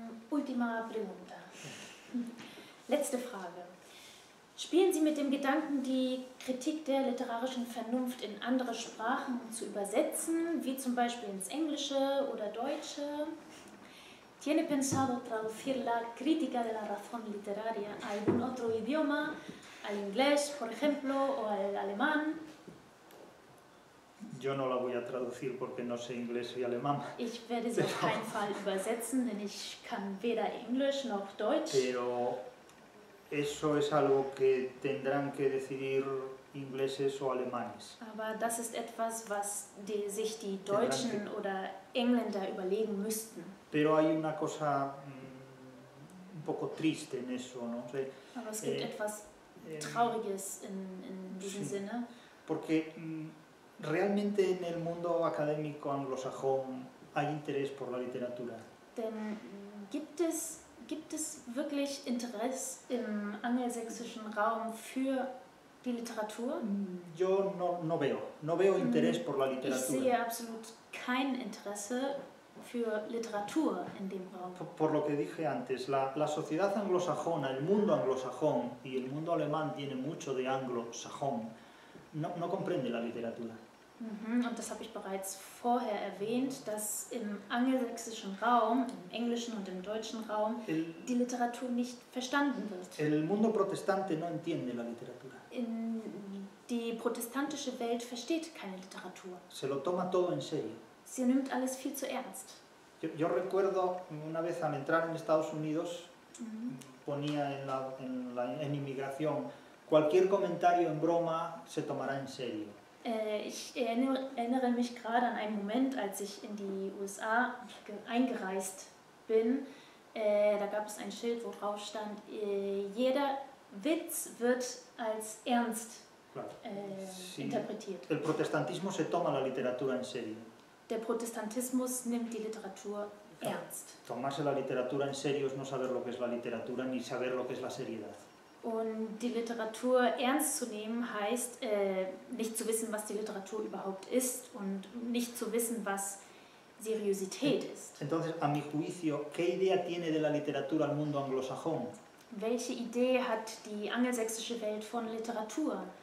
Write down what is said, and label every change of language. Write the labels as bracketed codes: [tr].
[es] Última pregunta. [de] Letzte Frage. Spielen Sie mit dem Gedanken, die Kritik der literarischen Vernunft in andere Sprachen zu übersetzen, wie zum Beispiel ins Englische oder Deutsche? [es] ¿Tiene pensado traducir la crítica de la razón literaria a algún otro idioma, al inglés, por ejemplo, o al alemán? Yo no la voy a traducir porque no sé inglés y alemán. [de] Ich werde sie auf keinen Fall übersetzen, denn ich kann weder Englisch noch Deutsch. [es] Pero eso es algo que tendrán que decidir ingleses o alemanes. [de] Aber das ist etwas, was sich die Deutschen oder Engländer überlegen müssten. [es] Pero hay una cosa un poco triste en eso, ¿no? O sea, [de] aber es gibt etwas Trauriges in diesem Sinne. [es] Porque realmente en el mundo académico anglosajón hay interés por la literatura. [de] Denn gibt es wirklich Interesse im angelsächsischen Raum für die Literatur? [es] Yo no veo interés por la literatura. [de] Ich sehe absolut kein Interesse für Literatur in dem Raum. [es] Por lo que dije antes, la sociedad anglosajona, el mundo anglosajón y el mundo alemán tiene mucho de anglosajón. No comprende la literatura. [de] Und das habe ich bereits vorher erwähnt, dass im angelsächsischen Raum, im englischen und im deutschen Raum, die Literatur nicht verstanden wird. [es] El mundo protestante no entiende la literatura. [de] Die protestantische Welt versteht keine Literatur. [es] Se lo toma todo en serio. [de] Sie nimmt alles viel zu ernst. [es] Yo recuerdo una vez al entrar en Estados Unidos, ponía en inmigración, cualquier comentario en broma se tomará en serio. [de] Ich erinnere mich gerade an einen Moment, als ich in die USA eingereist bin. Da gab es ein Schild, wo drauf stand, jeder Witz wird als ernst interpretiert. [es] El protestantismo se toma la literatura en serio. [de] Der Protestantismus nimmt die Literatur ernst. [es] Tomarse la literatura en serio es no saber lo que es la literatura ni saber lo que es la seriedad. [de] Und die Literatur ernst zu nehmen heißt, nicht zu wissen, was die Literatur überhaupt ist und nicht zu wissen, was Seriosität ist. [es] Entonces, a mi juicio, ¿qué idea tiene de la literatura el mundo anglosajón? [de] Welche Idee hat die angelsächsische Welt von Literatur?